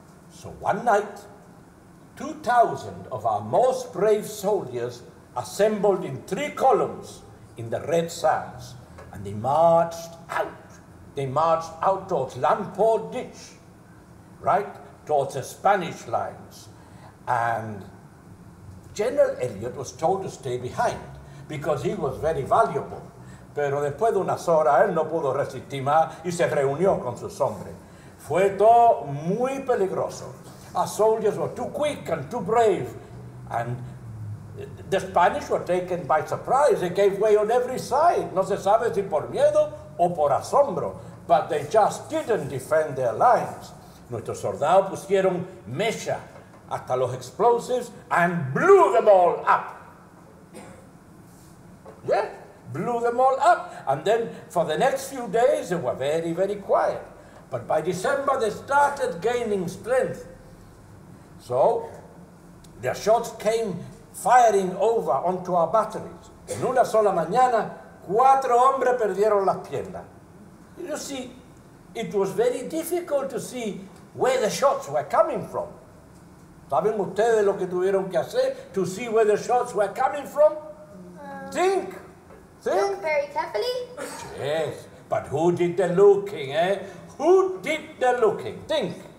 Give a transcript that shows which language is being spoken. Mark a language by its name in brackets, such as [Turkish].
[English] So one night, 2,000 of our most brave soldiers assembled in three columns in the red sands, and they marched out. They marched out towards Lamport Ditch, right? Towards the Spanish lines. And General Elliot was told to stay behind because he was very valuable. [Spanish] Pero después de unas horas, él no pudo resistir más y se reunió con sus hombres. Fue todo muy peligroso. [English] Our soldiers were too quick and too brave, and the Spanish were taken by surprise. They gave way on every side. [Spanish] No se sabe si por miedo o por asombro, [English] but they just didn't defend their lines. [Spanish] Nuestros soldados pusieron mecha hasta los [English] explosives and blew them all up. Yeah, blew them all up. And then for the next few days, they were very, very quiet. But by December, they started gaining strength. So their shots came firing over onto our batteries. [Spanish] En una sola mañana, cuatro hombres perdieron las piernas. [English] You see, it was very difficult to see where the shots were coming from. [Spanish] ¿Saben ustedes lo que tuvieron que hacer [English] to see where the shots were coming from? Think. Look very carefully. Yes, but who did the looking, eh? Who did the looking? Think.